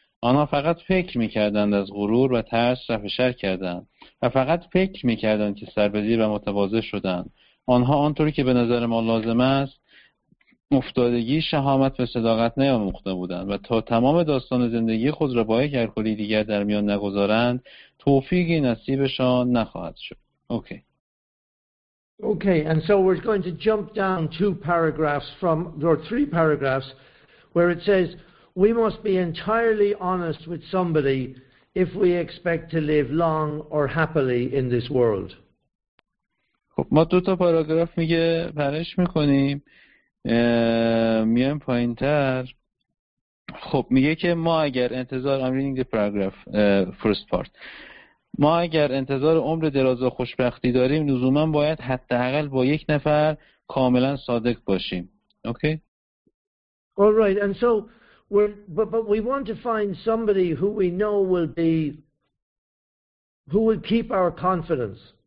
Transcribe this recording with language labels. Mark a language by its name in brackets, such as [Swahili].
[Persian] آنها فقط فکر میکردند از غرور و ترس رفع شر کردند و فقط فکر میکردند که سربزیر و متواضع شدند. آنها آنطوری که به نظر ما لازم است افتادگی، شهامت و صداقت نیاموخته بودند و تا تمام داستان زندگی خود را با یک الکلی دیگر در میان نگذارند، توفیقی نصیبشان نخواهد شد. [English] Okay. Okay, and so we're going to jump down two paragraphs from, or three paragraphs, where it says, we must be entirely honest with somebody if we expect to live long or happily in this world. [Persian] خب ما دو تا پاراگراف میگه پرش میکنیم، میایم پایین تر. خب میگه که ما اگر انتظار، [English] I'm reading the paragraph, first part. [Persian] ما اگر انتظار عمر دراز و خوشبختی داریم، لزوما باید حداقل با یک نفر کاملا صادق باشیم. [English] Okay. All right, and so but we want to find somebody who we know will be, who will keep our confidence.